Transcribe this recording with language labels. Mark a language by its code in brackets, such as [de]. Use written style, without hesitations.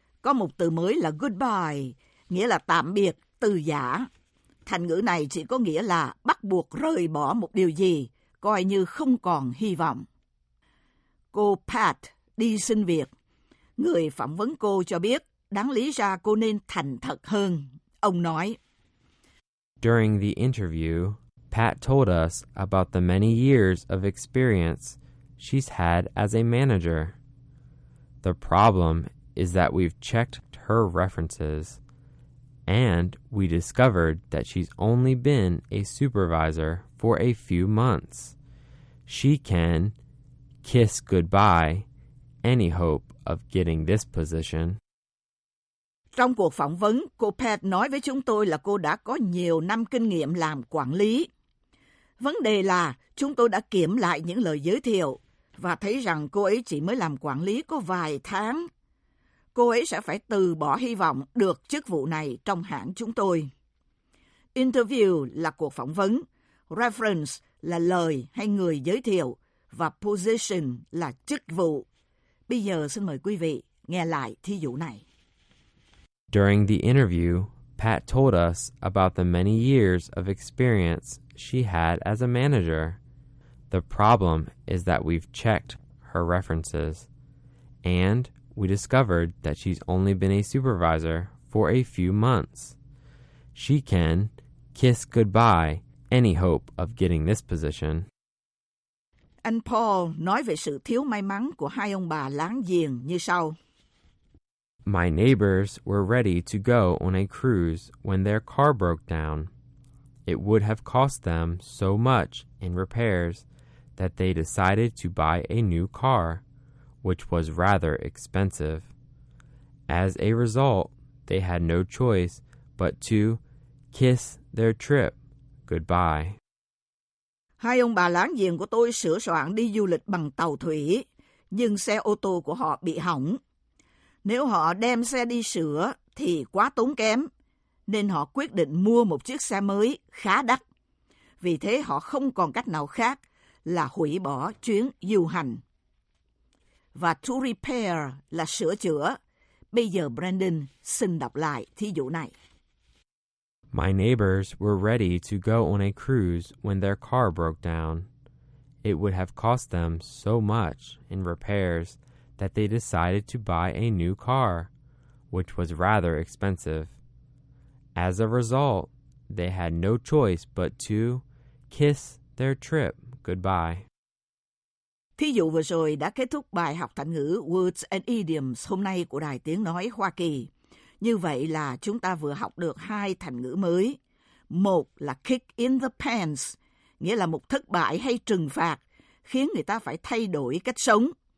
[vi] Có một từ mới là goodbye, nghĩa là tạm biệt, từ giã. Thành ngữ này chỉ có nghĩa là bắt buộc rời bỏ một điều gì, coi như không còn hy vọng. Cô Pat đi xin việc. Người phỏng vấn cô cho biết, đáng lý ra cô nên thành thật hơn. Ông nói, [en] During the interview, Pat told us about the many years of experience she's had as a manager. The problem is that we've checked her references, and we discovered that she's only been a supervisor for a few months. She can kiss goodbye any hope of getting this position. [vi] Trong cuộc phỏng vấn, cô Pat nói với chúng tôi là cô đã có nhiều năm kinh nghiệm làm quản lý. Vấn đề là chúng tôi đã kiểm lại những lời giới thiệu và thấy rằng cô ấy chỉ mới làm quản lý có vài tháng. Cô ấy sẽ phải từ bỏ hy vọng được chức vụ này trong hãng chúng tôi. Interview là cuộc phỏng vấn, reference là lời hay người giới thiệu và position là chức vụ. Bây giờ xin mời quý vị nghe lại thí dụ này. During the interview, Pat told us about the many years of experience she had as a manager. The problem is that we've checked her references and we discovered that she's only been a supervisor for a few months. She can kiss goodbye any hope of getting this position. Anh Paul nói về sự thiếu may mắn của hai ông bà láng giềng như sau. [en] My neighbors were ready to go on a cruise when their car broke down. It would have cost them so much in repairs that they decided to buy a new car, which was rather expensive. As a result, they had no choice but to kiss their trip goodbye. [vi] Hai ông bà láng giềng của tôi sửa soạn đi du lịch bằng tàu thủy, nhưng xe ô tô của họ bị hỏng. Nếu họ đem xe đi sửa thì quá tốn kém, nên họ quyết định mua một chiếc xe mới khá đắt. Vì thế họ không còn cách nào khác là hủy bỏ chuyến du hành. Và to repair là sửa chữa. Bây giờ Brandon xin đọc lại thí dụ này. [en] My neighbors were ready to go on a cruise when their car broke down. It would have cost them so much in repairs that they decided to buy a new car, which was rather expensive. As a result, they had no choice but to kiss their trip goodbye. [vi] Thí dụ vừa rồi đã kết thúc bài học thành ngữ Words and Idioms hôm nay của Đài Tiếng Nói Hoa Kỳ. Như vậy là chúng ta vừa học được hai thành ngữ mới. Một là kick in the pants, nghĩa là một thất bại hay trừng phạt, khiến người ta phải thay đổi cách sống.